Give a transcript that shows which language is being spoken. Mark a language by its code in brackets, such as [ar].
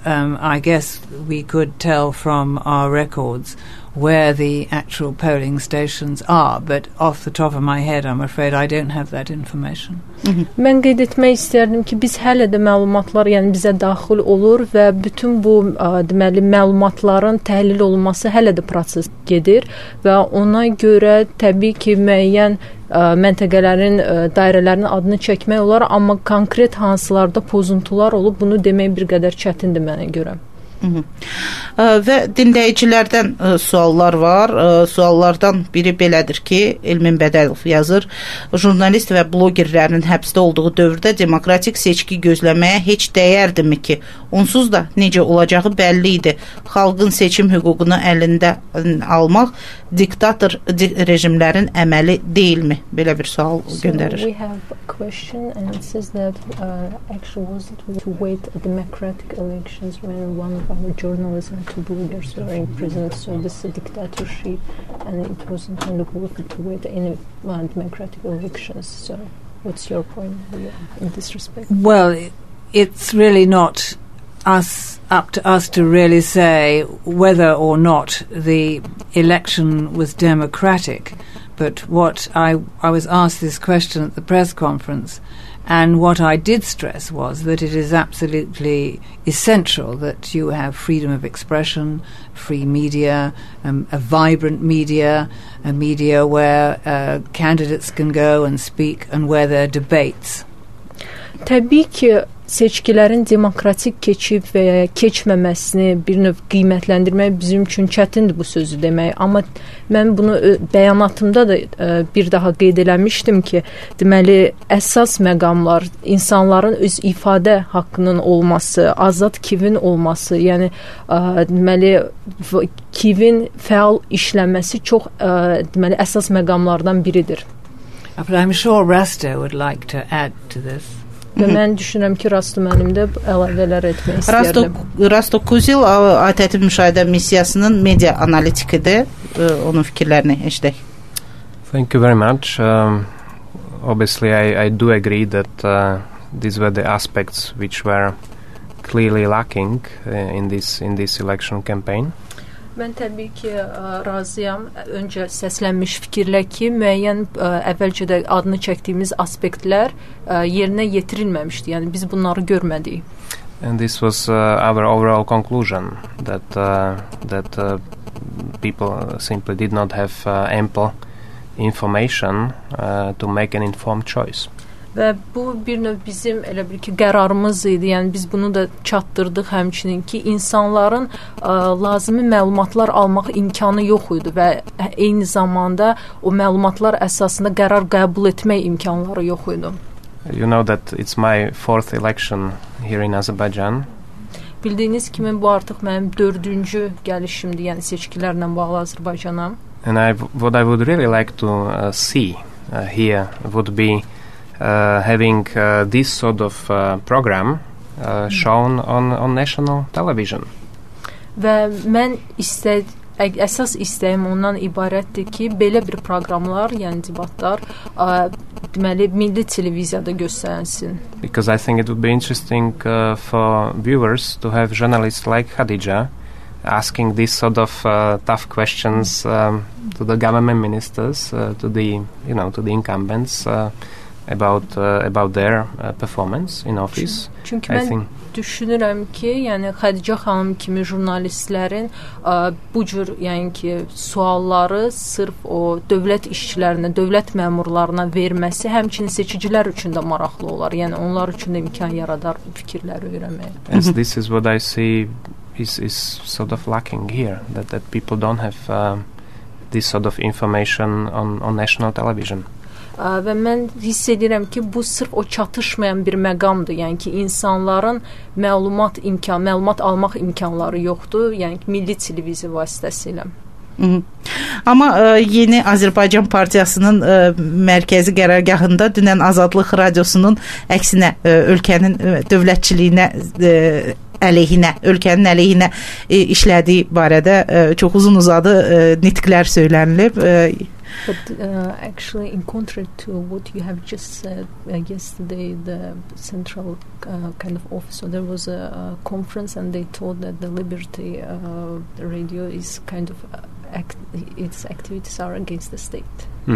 [en] I guess we could tell from our records where the actual polling stations are, but off the top of my head, I'm afraid I don't have that information. [az] Mən qeyd etmək istərdim ki, biz hələ də məlumatlar, yəni bizə daxil olur və bütün bu deməli məlumatların təhlil olunması hələ də proses gedir və ona görə təbii ki, müəyyən məntəqələrin dairələrinin adını çəkmək olar, amma konkret hansılarda pozuntular olub, bunu demək bir qədər çətindir mənə görə. Və dinləyicilərdən suallar var. Suallardan biri belədir ki, Elmin Bədəlov yazır, jurnalist və blogerlərin həbsdə olduğu dövrdə demokratik seçki gözləməyə heç dəyərdimi ki, onsuz da necə olacağı bəlli idi. Xalqın seçim hüququnu əlində almaq diktator rejimlərin əməli deyilmi? Belə bir sual göndərir. [en] So we have a question and it says that actually was it to wait democratic elections when one of our journalists and two bloggers were in prison, so this is a dictatorship and it wasn't kind of worth it to wait any democratic elections. So what's your point in this respect? Well, it's really not us up to us to really say whether or not the election was democratic, but what I was asked this question at the press conference, and what I did stress was that it is absolutely essential that you have freedom of expression, free media, a vibrant media, a media where candidates can go and speak and where there are debates. [az] Təbii ki, seçkilərin demokratik keçib və ya keçməməsini bir növ qiymətləndirmək bizim üçün çətindir bu sözü demək. Amma mən bunu bəyanatımda da bir daha qeyd eləmişdim ki, deməli, əsas məqamlar insanların öz ifadə haqqının olması, azad Kiyevin olması, yəni deməli, Kiyevin fəal işlənməsi çox deməli, əsas məqamlardan biridir. [en] I'm sure Rasta would like to add to this. [az] Və mən düşünürəm ki, Rasto mənim də əlavələr etmək istəyirdim. Rasto Kuzil ATƏT-in müşahidə missiyasının media analitikidir. Onun fikirlərini eşidək. [en] Thank you very much. Obviously, I do agree that these were the aspects which were clearly lacking in this election campaign. [az] Mən təbii ki, razıyam. Öncə səslənmiş fikirlə ki, müəyyən əvvəlcə də adını çəkdiyimiz aspektlər yerinə yetirilməmişdi. Yəni, biz bunları görmədik. [en] And this was our overall conclusion, that people simply did not have ample information to make an informed choice. [az] Və bu bir növ bizim elə bir ki, qərarımız idi. Yəni, biz bunu da çatdırdıq həmçinin ki, insanların lazımi məlumatlar almaq imkanı yox idi və eyni zamanda o məlumatlar əsasında qərar qəbul etmək imkanları yox idi. [en] You know that it's my fourth election here in Azerbaijan. [az] Bildiyiniz kimi, bu artıq mənim dördüncü gəlişimdir, yəni seçkilərlə bağlı Azərbaycana. [en] And what I would really like to see here would be having this sort of program shown on national television. [az] Və mən əsas istəyim ondan ibarətdir ki, belə bir proqramlar, yəni debatlar, deməli, milli televiziyada göstərilsin. [en] Because I think it would be interesting for viewers to have journalists like Khadija asking this sort of tough questions to the government ministers, to the, you know, to the incumbents, about their performance in office. [az] Çünki mən düşünürəm ki, yəni Xadicə xanım kimi jurnalistlərin bu cür, yəni ki, sualları sırf o dövlət işçilərinə, dövlət məmurlarına verməsi həmçinin seçicilər üçün də maraqlı olar. Yəni onlar üçün də imkan yaradar bu fikirləri öyrənməyə. [en] As this is what I see is sort of lacking here, that people don't have this sort of information on national television. [az] Və mən hiss edirəm ki, bu sırf o çatışmayan bir məqamdır. Yəni ki, insanların məlumat almaq imkanları yoxdur. Yəni ki, milli televiziya vasitəsilə. Amma yeni Azərbaycan Partiyasının mərkəzi qərargahında dünən Azadlıq Radiosunun əksinə ölkənin dövlətçiliyinə əleyhinə, ölkənin əleyhinə işlədiyi barədə çox uzun uzadı nitqlər söylənilib. [en] But actually, in contrary to what you have just said yesterday, the central kind of office, so there was a conference and they told that the Liberty Radio is kind of, its activities are against the state. Mm-hmm.